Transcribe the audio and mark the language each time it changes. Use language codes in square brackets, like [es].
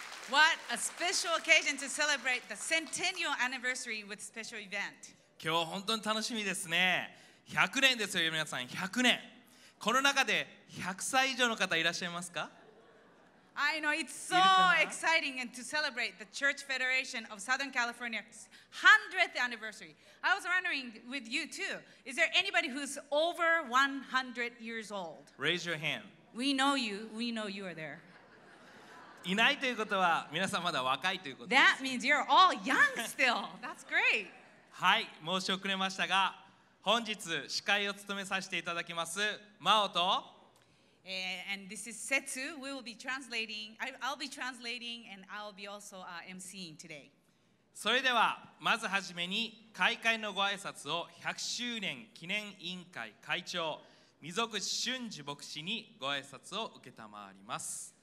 [en] What a special occasion to celebrate the centennial anniversary with special event. [ja] 今日本当に楽しみですね。100年ですよ、皆さん、100年。この中で100歳以上の方いらっしゃいますか？ [en] I know it's so exciting and to celebrate the Church Federation of Southern California's 100th anniversary. I was wondering with you too, is there anybody who's over 100 years old? Raise your hand. We know you are there. [ja] いないということは皆さんまだ若いということです。 [en] That means you're all young still. That's great. [ja] はい、申し遅れましたが、本日司会を務めさせていただきます真央と、 [en] and this is Setsu. We will be translating. I'll be translating and I'll be also emceeing today. [ja] それではまずはじめに開会のご挨拶を100周年記念委員会会長溝口俊二牧師にご挨拶を受けたまわります。